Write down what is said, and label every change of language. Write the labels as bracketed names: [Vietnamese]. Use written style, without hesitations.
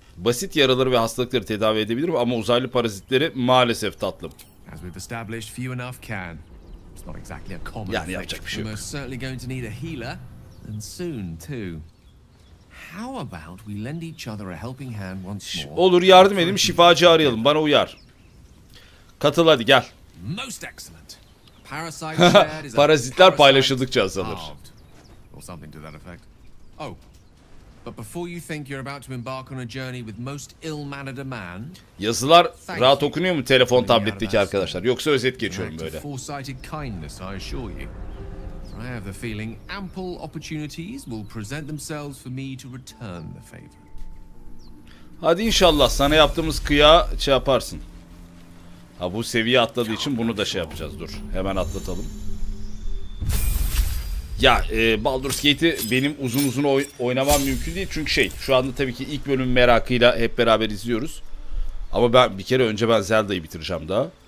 [Turkish] Basit yaraları ve hastalıkları tedavi edebilirim ama uzaylı parazitleri maalesef tatlım. [English] As we've established, few enough can. It's not exactly a common [Turkish] thing. Yani yapacak bir şey yok. [English] We're most certainly going to need a healer, and soon too. How about we lend each other a helping hand once more? [Turkish] Olur, yardım edelim, şifacı arayalım, bana uyar. Katıl hadi, gel. [English] Most excellent. [Turkish] Parazitler paylaşıldıkça azalır. [English] Or something to that effect. Oh. But before you think you're about to embark on a journey with most ill-mannered a man. [Turkish] Yazılar rahat okunuyor mu telefon tabletteki arkadaşlar? Yoksa özet geçiyorum böyle. [English] Foresighted kindness, I assure you. I have the feeling ample opportunities will present themselves for me to return the favor. [Turkish] Hadi inşallah sana yaptığımız kıya şey yaparsın. Ha, bu seviye atladığı için bunu da şey yapacağız. Dur, hemen atlatalım. Ya Baldur's Gate'i benim uzun uzun oynamam mümkün değil çünkü şey, şu anda tabii ki ilk bölümün merakıyla hep beraber izliyoruz. Ama ben bir kere önce ben Zelda'yı bitireceğim daha.